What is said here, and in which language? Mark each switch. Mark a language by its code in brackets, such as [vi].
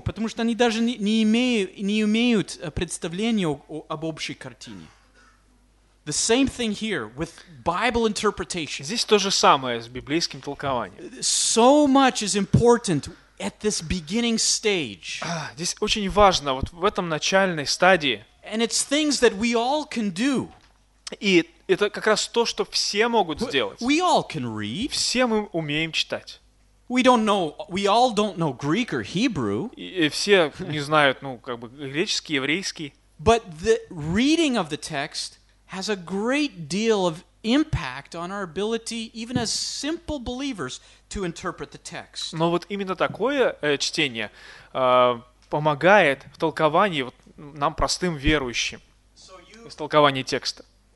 [ru] Потому что они даже не имеют представления об общей картине. [en] The same thing here with Bible interpretation. [ru] Здесь то же самое с библейским толкованием. [en] So much is important. At this beginning stage. [ru] Здесь очень важно, вот в этом начальной стадии. [en] And it's things that we all can do. [ru] И это как раз то, что все могут сделать. [en] We all can read. [ru] Все мы умеем читать. [en] We don't know, we all don't know Greek or Hebrew. [ru] И все не знают, ну, как бы греческий, еврейский. [en] But the reading of the text has a great deal of impact on our ability, even as simple believers, to interpret the text. [ru] Но вот именно такое чтение помогает в толковании вот, нам, простым верующим, в толковании текста.